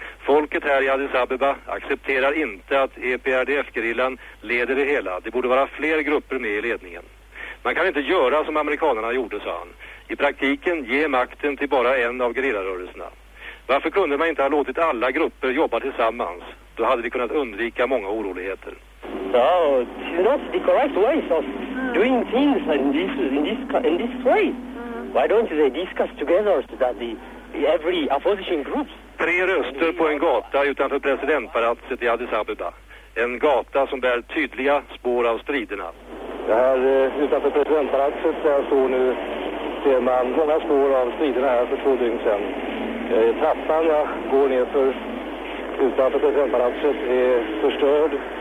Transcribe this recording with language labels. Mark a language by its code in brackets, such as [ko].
[sv] Folket här i Addis Abeba accepterar inte att EPRDF-gerillan leder det hela. Det borde vara fler grupper med i ledningen. Man kan inte göra som amerikanerna gjorde, sa han. I praktiken ger makten till bara en av gerillarörelserna. Varför kunde man inte ha låtit alla grupper jobba tillsammans? Då hade vi kunnat undvika många oroligheter. [en] So, it's not the correct way of doing things in this way. Why don't they discuss together that every opposition groups? [sv] Tre röster på en gata utanför presidentpalatset i Addis Abeba. En gata som bär tydliga spår av striderna. Det här utanför presidentpalatset där står nu, ser man många spår av striderna här för två dygn sedan. Trappan jag går ner för utanför presidentpalatset är förstörd.